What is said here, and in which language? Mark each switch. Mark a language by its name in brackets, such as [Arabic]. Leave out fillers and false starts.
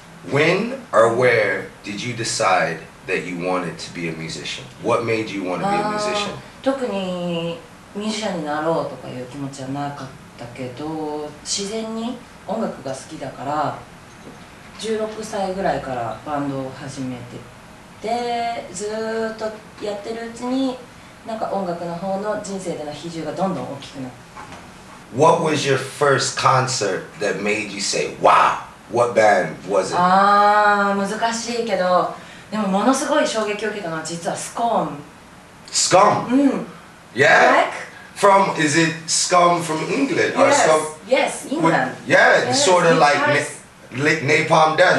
[English] When or where did you decide that you wanted to be a musician? What made you want to be a musician? [Japanese] 特にミュージシャンになろうとかいう気持ちはなかったけど、自然に音楽が好きだから、16歳ぐらいからバンドを始めて、で、ずっとやってるうちに、なんか音楽の方の人生での比重がどんどん大きくなる。 [English] What was your first concert that made you say, wow, what band was it? [Japanese] 難しいけど、でもものすごい衝撃を受けたのは実はスコーン。スコーン。うん。 [English] Yeah. Black? From is it scum from England or yes. scum? Yes. England. Yeah. Yes. Sort of like napalm death.